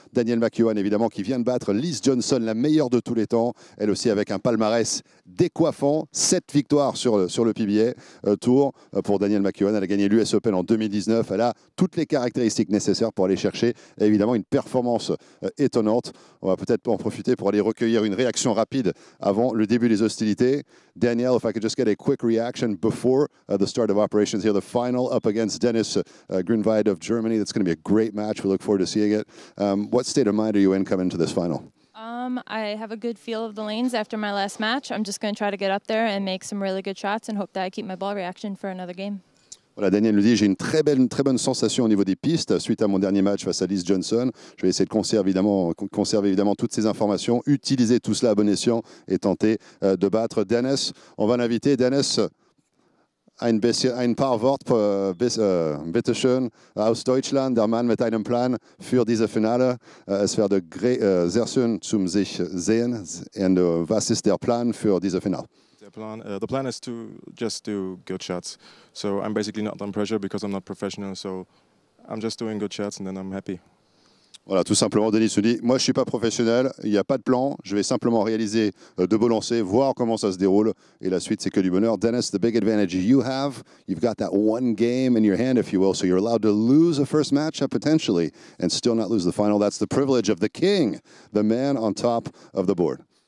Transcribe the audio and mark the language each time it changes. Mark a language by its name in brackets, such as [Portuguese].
[French] Daniel McEwan, évidemment, qui vient de battre Liz Johnson, la meilleure de tous les temps, elle aussi avec un palmarès décoiffant, 7 victoires sur le PBA Tour pour Daniel McEwan. Elle a gagné l'US Open en 2019. Elle a toutes les caractéristiques nécessaires pour aller chercher évidemment une performance étonnante. On va peut-être en profiter pour aller recueillir une réaction rapide avant le début des hostilités. [English] Daniel, if I could just get a quick reaction before the start of operations here, the final up against Dennis Grunwald of Germany. That's going to be a great match. We look forward to seeing it. What state of mind are you in coming to this final? I have a good feel of the lanes after my last match. I'm just going to try to get up there and make some really good shots and hope that I keep my ball reaction for another game. [French] Voilà, Daniel nous dit, j'ai une très bonne sensation au niveau des pistes suite à mon dernier match face à Liz Johnson. Je vais essayer de conserver évidemment toutes ces informations, utiliser tout cela à bon escient et tenter de battre Dennis. On va l'inviter, Dennis. [German] Ein paar Worte, bitte schön, aus Deutschland, der Mann mit einem Plan für diese Finale. Es wäre sehr schön zum sich sehen. Und was ist der Plan für diese Finale? [English] The plan is to just do good shots. So I'm basically not on pressure because I'm not professional. So I'm just doing good shots and then I'm happy. [French] Voilà, tout simplement, Denis se dit, moi je ne suis pas professionnel, il n'y a pas de plan, je vais simplement réaliser de beaux lancers, voir comment ça se déroule, et la suite c'est que du bonheur. [English] Dennis, the big advantage you have, you've got that one game in your hand, if you will, so you're allowed to lose a first match, potentially, and still not lose the final. That's the privilege of the king, the man on top of the board.